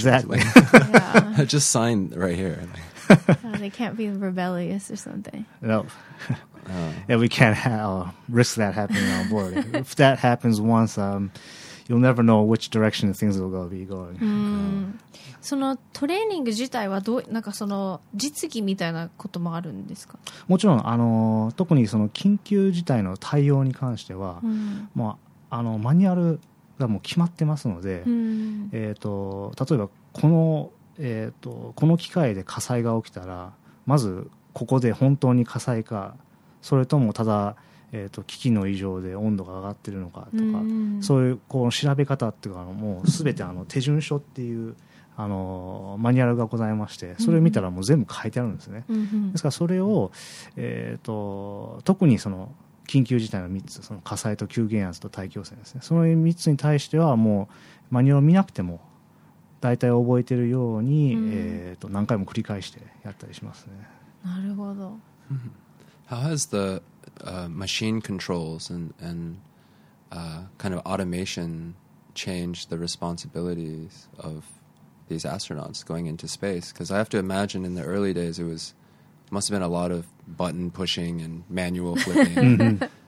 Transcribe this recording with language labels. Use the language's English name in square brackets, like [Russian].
[English] Exactly. Like, just sign right here. They can't be rebellious or something. No. Nope. Yeah, we can't risk that happening on board. If that happens once... You'll never know which direction things will be going. [Japanese] そのトレーニング自体はどう、なんかその実技みたいなこともあるんですか？もちろん、特にその緊急事態の対応に関しては、もうマニュアルがもう決まってますので、例えばこの、この機械で火災が起きたら、まずここで本当に火災か、それともただ、機器の異常で温度が上がってるのかとか、そういうこう調べ方っていうか、もうすべてあの手順書っていうあのマニュアルがございまして、それを見たらもう全部書いてあるんですね。ですからそれを特にその緊急事態の3つ、その火災と急減圧と大気汚染ですね、その3つに対してはもうマニュアルを見なくても大体覚えてるように、何回も繰り返してやったりしますね。なるほど。 [English] How has the machine controls and kind of automation changed the responsibilities of these astronauts going into space? Because I have to imagine in the early days it was must have been a lot of button pushing and manual flipping.